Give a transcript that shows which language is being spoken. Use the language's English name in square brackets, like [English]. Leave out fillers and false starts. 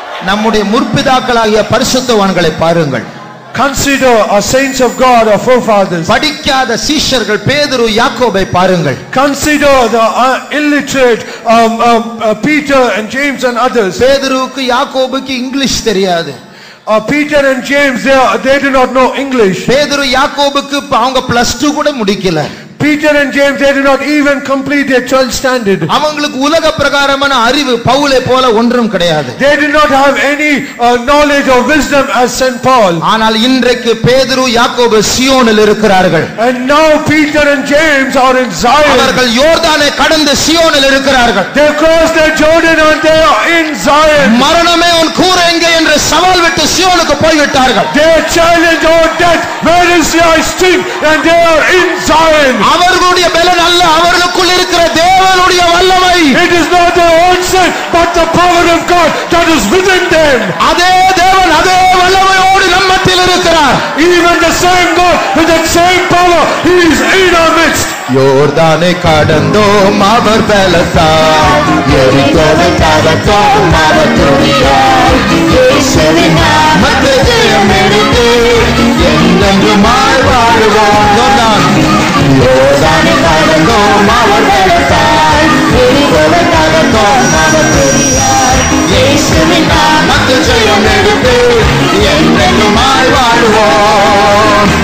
[Tamil] நம்முடைய முற்பிதாக்களாகிய பரிசுத்தவான்களை பாருங்கள். [English] Consider our saints of God, our forefathers. [Tamil] படிக்காத சீஷர்கள் பேதுரு யாக்கோபை பாருங்கள். [English] Consider the illiterate Peter and James and others. [Tamil] பேதுருக்கு யாக்கோபுக்கு இங்கிலீஷ் தெரியாது. [English] Peter and James, they do not know English. [Tamil] பேதுரு யாக்கோபுக்கு அவங்க +2 கூட முடிக்கல. [English] Peter and James, they did not even complete their 12th standard. [Tamil] அவங்களுக்கு உலக பிரகாரமான அறிவு பவுலை போல ஒன்றும் கிடையாது. [English] They did not have any knowledge or wisdom as Saint Paul. [Tamil] ஆனால் இன்றைக்கு பேதுரு யாக்கோபு சியோனில் இருக்கிறார்கள். [English] And now Peter and James are in Zion. [Tamil] அவர்கள் யோர்தானை கடந்து சியோனில் இருக்கிறார்கள். [English] They crossed the Jordan and they are in Zion. [Tamil] மரணமே உன் கூர எங்கே என்று சவால் விட்டு சியோனுக்கு போய் விட்டார்கள். [English] They challenge our death, where is your sting, and they are in Zion. [Tamil] அவர்களுடைய பலன் அல்ல, அவர்களுக்குள் இருக்கிற தேவனுடைய வல்லமை. [English] It is not their own strength but the power of God that is within them. [Tamil] அதே தேவன் அதே வல்லமையோடு நம்மத்தில் இருக்கிறார். [English] Even the same God with that same power, he is in our midst. [Tamil] யோர்தானை கடந்தோம் அவர் பலத்தால், எரிகோவை தகர்த்தோம் அவர் துணியால், இயேசுவின் நாமத்தில் எடுத்து என்றென்றும் வாழ்வோம். யோர்தானை கடந்தோம் அவர் பலத்தால், எரிகோவை தகர்த்தோம் அவர் துணியால், இயேசுவின் நாமத்தில் எடுத்து என்றென்றும் வாழ்வோம்.